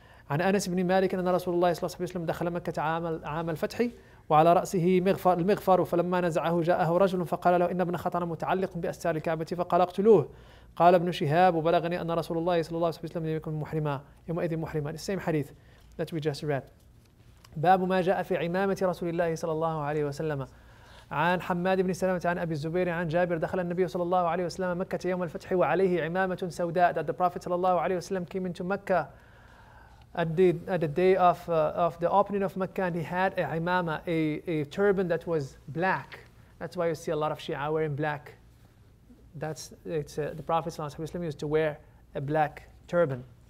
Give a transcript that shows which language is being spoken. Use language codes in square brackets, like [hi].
[ar] عن أنس بن مالك أن رسول الله صلى الله عليه وسلم دخل مكة عام الفتح وعلى رأسه المغفر فلما نزعه جاءه رجل فقال له إن ابن خطر متعلق بأستار الكعبة فقال اقتلوه. قال ابن شهاب وبلغني أن رسول الله صلى الله عليه وسلم لم يكن محرما يومئذ محرما. [en] The same hadith that we just read. [ar] باب ما جاء في عمامة رسول الله صلى الله عليه وسلم. عن حماد بن سلمة عن أبي الزبير عن جابر دخل النبي صلى الله عليه وسلم مكة يوم الفتح وعليه عمامة سوداء. [en] That the Prophet صلى الله عليه وسلم came into Mecca at the day of the opening of Mecca, and he had a imama, a turban that was black. That's why you see a lot of Shia wearing black. The Prophet صلى الله عليه وسلم used to wear a black turban.